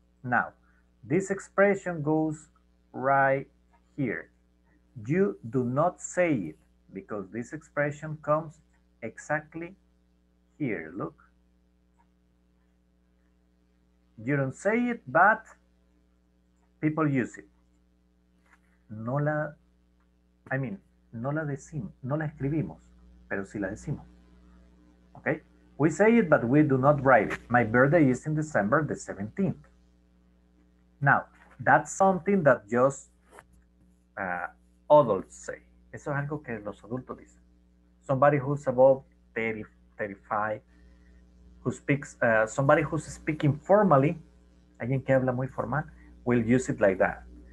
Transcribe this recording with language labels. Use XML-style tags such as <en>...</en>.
<en>Now, this expression goes right here. You do not say it because this expression comes exactly here, look. You don't say it, but people use it.</en> <es>No la decimos, no la escribimos, pero sí la decimos.</es> <en>Okay? We say it, but we do not write it. My birthday is in December the 17th. Now, that's something that just adults say.</en> <es>Eso es algo que los adultos dicen.</es> <en>Somebody who's above 35, who speaks, somebody who's speaking formally,</en> <es>alguien que habla muy formal,</es> <en>will use it like that.</en>